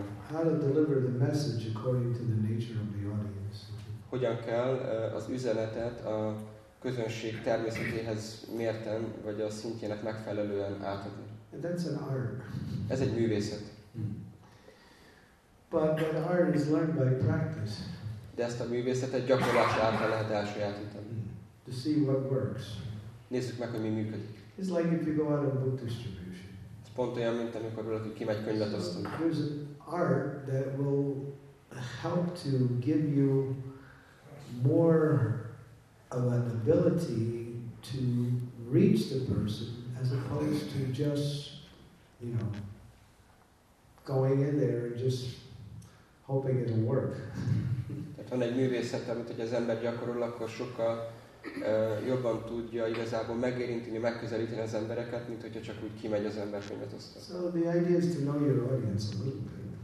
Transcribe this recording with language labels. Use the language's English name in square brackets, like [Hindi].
[English] how to deliver the message according to the nature of the audience. [Hungarian] Hogyan kell az üzenetet a közönség természetéhez mérten, vagy a szintjének megfelelően átadni. [English] And that's an art. [Hungarian] Ez egy művészet. [English] But that art is learned by practice. [Hungarian] De ezt a művészetet gyakorlás által lehet elsajátítani. [English] To see what works. [Hungarian] Nézzük meg, hogy mi működik. [English] It's like if you go out and book distribute. [Hungarian] Pont olyan, mint amikor valaki kimegy könyvet osztani. [English] There's an art that will help to give you more of an ability to reach the person as opposed to just, you know, going in there and just hoping it'll work. [Hungarian] Tehát van egy művészet, amit hogy az ember gyakorol, akkor sokkal jobban tudja igazából megérinteni, megközelíteni az embereket, mint hogyha csak úgy kimegy az ember könyvet osztani. [English] So the idea is to know your audience a little bit.